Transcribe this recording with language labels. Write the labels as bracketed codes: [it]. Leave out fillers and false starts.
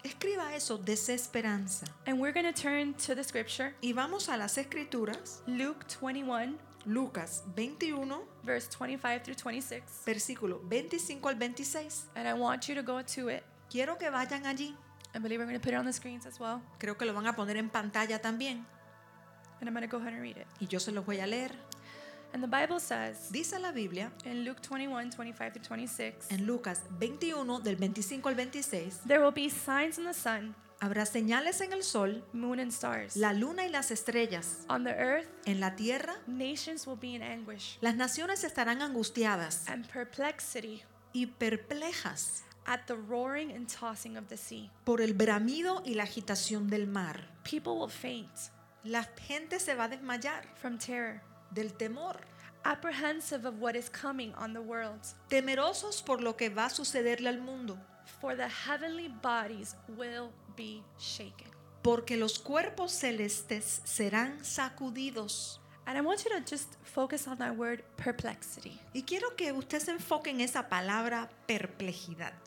[es] Escriba eso, desesperanza. [en] And we're going to turn to the scripture. [es] Y vamos a las escrituras. [en] Luke 21. [es] Lucas 21. [en] Verse 25 through 26. [es] Versículo 25 al 26. [en] And I want you to go to it. [es] Quiero que vayan allí. [en] I believe we're going to put it on the screens as well. [es] Creo que lo van a poner en pantalla también. [en] And I'm going to go ahead and read it. [es] Y yo se los voy a leer. [en] And the Bible says, [es] dice la Biblia, [en] in Luke 21, 25 through 26, [es] en Lucas 21, del 25 al 26, [en] there will be signs in the sun, [es] habrá señales en el sol, [en] moon and stars, [es] la luna y las estrellas, [en] on the earth, [es] en la tierra, [en] nations will be in anguish, [es] las naciones estarán angustiadas, [en] and perplexity, [es] y perplejas, [en] at the roaring and tossing of the sea, [es] por el bramido y la agitación del mar. [en] People will faint, [es] la gente se va a desmayar, [en] from terror, [es] del temor. [en] Apprehensive of what is coming on the world. [es] Temerosos por lo que va a sucederle al mundo. [en] For the heavenly bodies will be shaken. [es] Porque los cuerpos celestes serán sacudidos. [en] And I want you to just focus on that word perplexity. [es] Y quiero que usted se enfoque en esa palabra perplejidad.